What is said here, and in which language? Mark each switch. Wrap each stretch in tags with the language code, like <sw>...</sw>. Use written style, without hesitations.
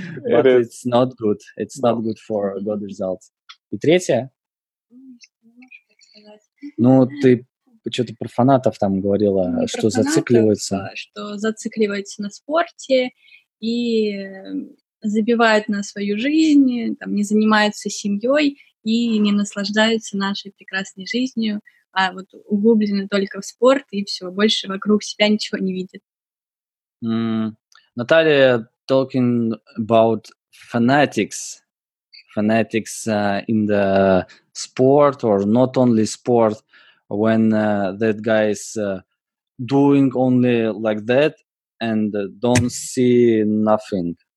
<en>But it it's not good. It's not good for good results.</en> <ru>И третье? Ну, ты что-то про фанатов там говорила, не что фанатов, зацикливаются. Что зацикливаются на спорте и забивают на свою жизнь, там, не занимаются семьей и не наслаждаются нашей прекрасной жизнью, а вот углублены только в спорт и все, больше вокруг себя ничего не видят.</ru> <en>Наталья, talking about fanatics. Fanatics in the sport or not only sport, when that guy is doing only like that and don't see nothing.</en>